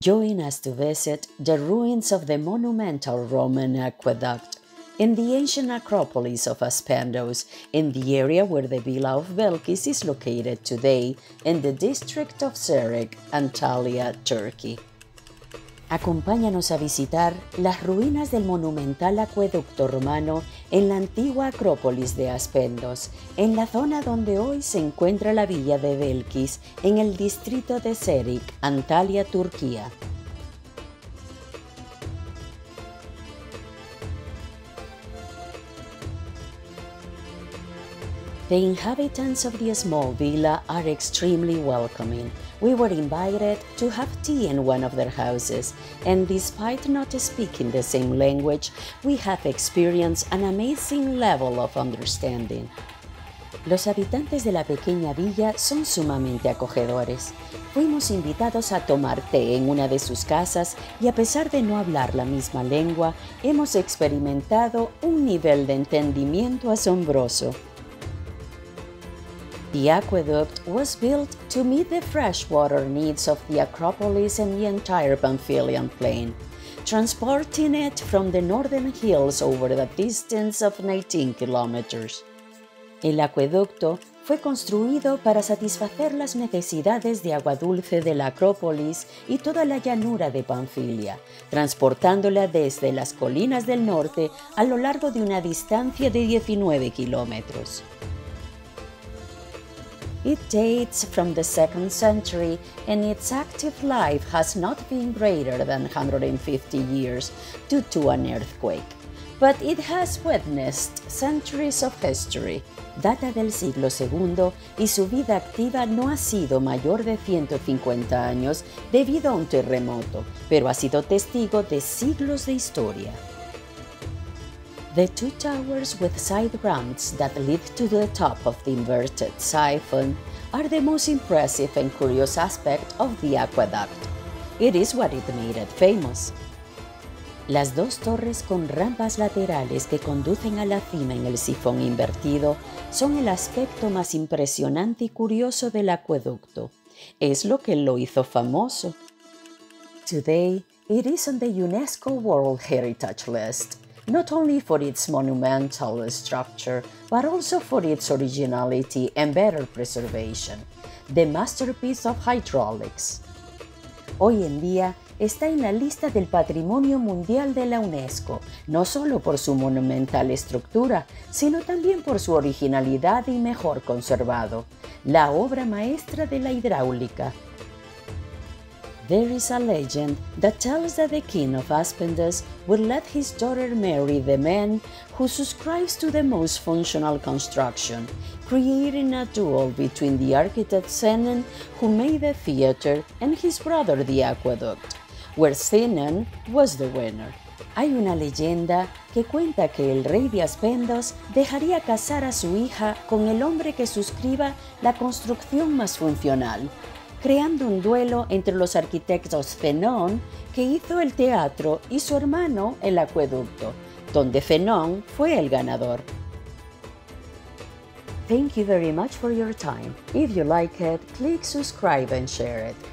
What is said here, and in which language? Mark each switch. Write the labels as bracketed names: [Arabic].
[English] Join us to visit the ruins of the monumental Roman aqueduct in the ancient Acropolis of Aspendos, in the area where the Villa of Belkis is located today, in the district of Serik, Antalya, Turkey. [Spanish] Acompáñanos a visitar las ruinas del monumental acueducto romano en la antigua Acrópolis de Aspendos, en la zona donde hoy se encuentra la Villa de Belkis, en el distrito de Serik, Antalya, Turquía. [English] The inhabitants of the small villa are extremely welcoming. We were invited to have tea in one of their houses, and despite not speaking the same language, we have experienced an amazing level of understanding. [Spanish] Los habitantes de la pequeña villa son sumamente acogedores. Fuimos invitados a tomar té en una de sus casas y a pesar de no hablar la misma lengua, hemos experimentado un nivel de entendimiento asombroso. [English] The aqueduct was built to meet the freshwater needs of the Acropolis and the entire Pamphylian plain, transporting it from the northern hills over a distance of 19 kilometers. [Spanish] El acueducto fue construido para satisfacer las necesidades de agua dulce de la Acrópolis y toda la llanura de Pamphylia, transportándola desde las colinas del norte a lo largo de una distancia de 19 kilómetros. [English] It dates from the 2nd century and its active life has not been greater than 150 years due to an earthquake. But it has witnessed centuries of history. [Spanish] Data del siglo II y su vida activa no ha sido mayor de 150 años debido a un terremoto, pero ha sido testigo de siglos de historia. [English] The two towers with side ramps that lead to the top of the inverted siphon are the most impressive and curious aspect of the aqueduct. It is what it made it famous. [Spanish] Las dos torres con rampas laterales que conducen a la cima en el sifón invertido son el aspecto más impresionante y curioso del acueducto. Es lo que lo hizo famoso. [English] Today, it is on the UNESCO World Heritage List, not only for its monumental structure, but also for its originality and better preservation, the masterpiece of hydraulics. [Spanish] Hoy en día está en la lista del Patrimonio Mundial de la UNESCO, no solo por su monumental estructura, sino también por su originalidad y mejor conservado, la obra maestra de la hidráulica. [English] There is a legend that tells that the king of Aspendos would let his daughter marry the man who subscribes to the most functional construction, creating a duel between the architect Sinon, who made the theater, and his brother the aqueduct, where Sinon was the winner. [Spanish] Hay una leyenda que cuenta que el rey de Aspendos dejaría casar a su hija con el hombre que suscriba la construcción más funcional, creando un duelo entre los arquitectos Fenón, que hizo el teatro, y su hermano, el acueducto, donde Fenón fue el ganador. [English] Thank you very much for your time. If you like it, click subscribe and share it.